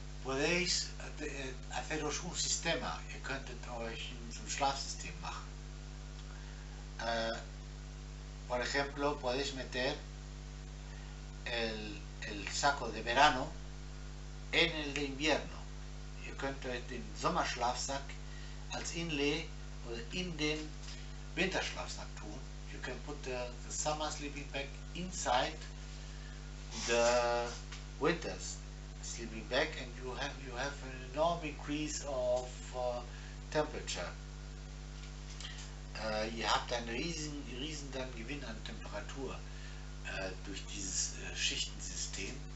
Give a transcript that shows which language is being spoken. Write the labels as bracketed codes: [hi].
[es] Podéis haceros un sistema, [de] ihr könntet euch ein Schlafsystem machen. [es] Por ejemplo, podéis meter el saco de verano en el de invierno. [de] Ihr könntet den Sommerschlafsack als Inlay oder in den Winterschlafsack tun. [en] You can put the summer sleeping bag inside the winter's sleeping bag, and you have an enormous increase of temperature. [de] Ihr habt einen riesen Gewinn an Temperatur durch dieses Schichtensystem.